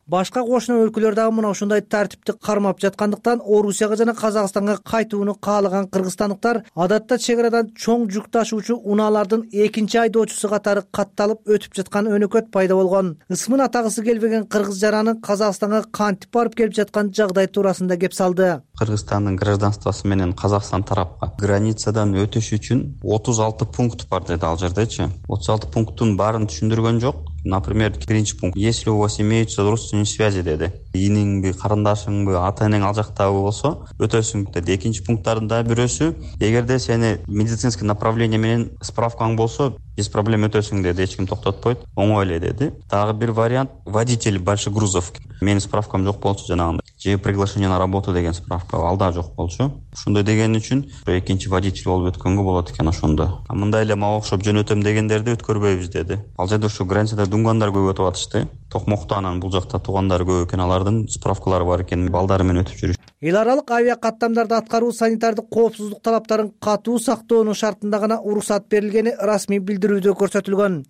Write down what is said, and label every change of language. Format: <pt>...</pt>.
<ky>Башка кошуна өлкөлөр дагы мына ушундай тартипти кармап жаткандыктан Орусияга жана Казакстанга кайтууну каалаган кыргызстандыктар адатта чек арадан чоң жүк ташуучу унаалардын экинчи айдоочусу катары катталып өтүп жаткан өнөкөт пайда болгон. Ысмын атагысы келбеген кыргыз жаранын Казакстанга кантип барып келип жаткан жагдай туурасында кеп салды. Кыргызстандын гражданствосу менен Казакстан тарапка границадан өтүш үчүн 36 пункт бар деди ал жердечи. 36 пункттун баарын түшүндүргөн жок.</ky> <ru>Например,</ru> <ky>биринчи пункт:</ky> <ru>если у вас имеются родственные связи,</ru> <ky>деди. Ининиңби, карындашыңбы, ата энең ал жактабы болсо, өтөсүң деди. Экинчи пункттарында бирөөсү: эгерде сени</ky> <ru>медицинский направление</ru> <ky>менен справкаң болсо,</ky> <ru>без проблем</ru> <ky>өтөсүң деди, эч ким токтотпойт, оңой эле деди.</ky> <ru>Дагы бир вариант: водитель большой грузов.</ru> <ky>Менин справкам жок болчу жанагында. Же</ky> <ru>приглашение на работу</ru> <ky>деген справка ал да жок болчу. Ошондой деген үчүн экинчи водитель болуп өткөнгө болот экен ошондо. А мындай эле мага окшоп жөнөтөм дегендерди өткөрбөйбүз деди. Ал жерде ушу границада дүнгөндөр көп өтүп атышты. Токмокто анан бул жакта туугандары көп экен, алардын справкалары бар экен, балдары менен өтүп жүрүш. Эл аралык авиа каттамдарды аткаруу санитардык коопсуздук талаптарын катуу сактоонун шартында гана уруксат берилгени расмий билдирүүдө көрсөтүлгөн.</ky>